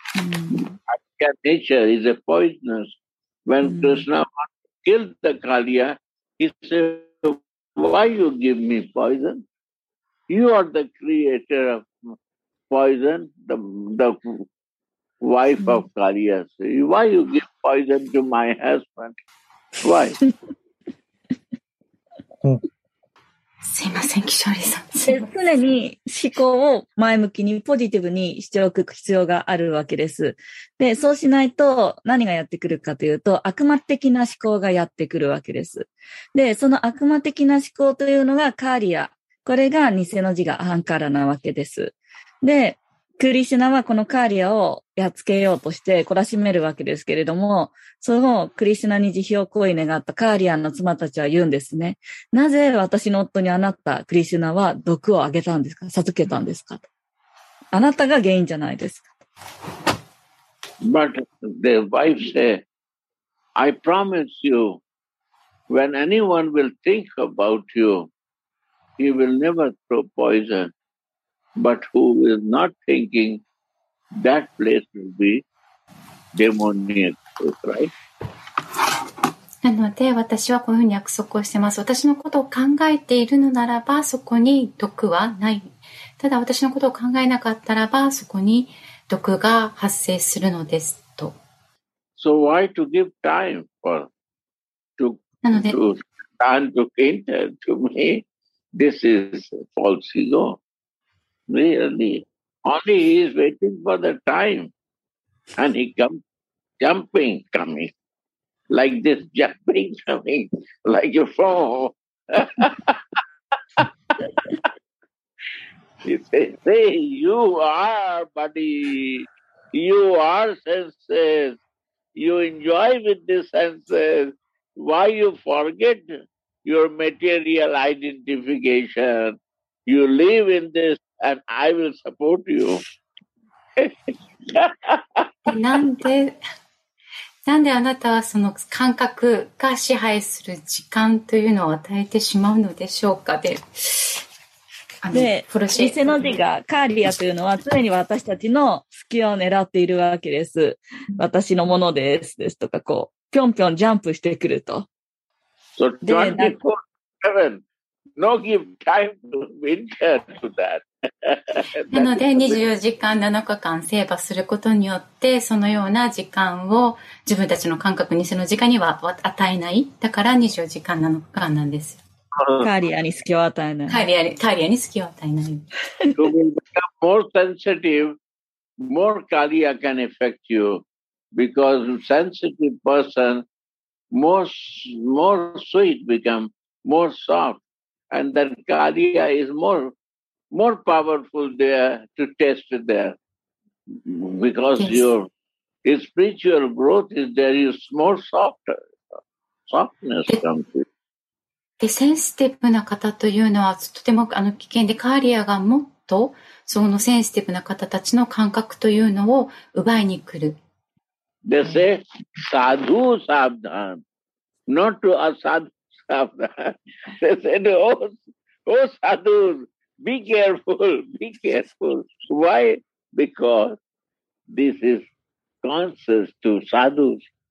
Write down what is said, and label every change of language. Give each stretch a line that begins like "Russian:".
English: Kaliya nature is a poisonous. When Krishna wants to kill the Kaliya, he says, why you give me poison? You are the creator of poison, the wife of Kaliya. So why you give poison to my husband? Why?
Japanese: すいません、キショリさん。常に思考を前向きにポジティブにしておく必要があるわけです。で、そうしないと何がやってくるかというと、悪魔的な思考がやってくるわけです。で、その悪魔的な思考というのがカーリア。これが偽の自我、アハンカーラなわけです。で、クリシュナはこのカーリアをやっつけようとして懲らしめるわけですけれども、そのクリシュナに慈悲を請い願ったカーリアの妻たちは言うんですね。なぜ私の夫にあなた、クリシュナは毒をあげたんですか、授けたんですかと。あなたが原因じゃないですか。
English: But the wife said, I promise you, when anyone will think about you, he will never throw poison. But who is not thinking, that place will be demoniac, right?
Japanese: なので私はこういうふうに約束をしてます。私のことを考えているのならばそこに毒はない。ただ私のことを考えなかったらばそこに毒が発生するのですと。
English: So why to give time for to enter to me? This is false ego. Really, only he is waiting for the time and he jumping, coming, like a fall. He says, hey, you are, buddy, you are senses, you enjoy with the senses, why you forget your material identification, you live in this. And I will support you.
Japanese: なんであなたはその感覚が支配する時間というのを与えてしまうのでしょうか。で、偽の自我、カーリアというのは常に私たちの隙を狙っているわけです。私のものですですとか、こう、ぴょんぴょんジャンプしてくると。
English: So 24/7, no give time to winter to that.
Japanese: なので24時間7日間セーバすることによってそのような時間を自分たちの感覚にその時間には与えない。だから24時間7日間なんです。カーリアに隙を与えない。カーリアに隙を与えない。
English: You will become more sensitive, more Kaliya can affect you because sensitive person more sweet become more soft and then Kaliya is more powerful there to test there because yes. Your spiritual growth is there, you're more softer, softness comes in.
Japanese: で、センシティブな方というのはとても危険で、カーリアがもっとそのセンシティブな方たちの感覚というのを奪いに来る。
English: They say, sadhu sabdhan, not to asadhu sabdhan. They said, oh sadhu,Be careful. Why? Because this is conscious to sadhus.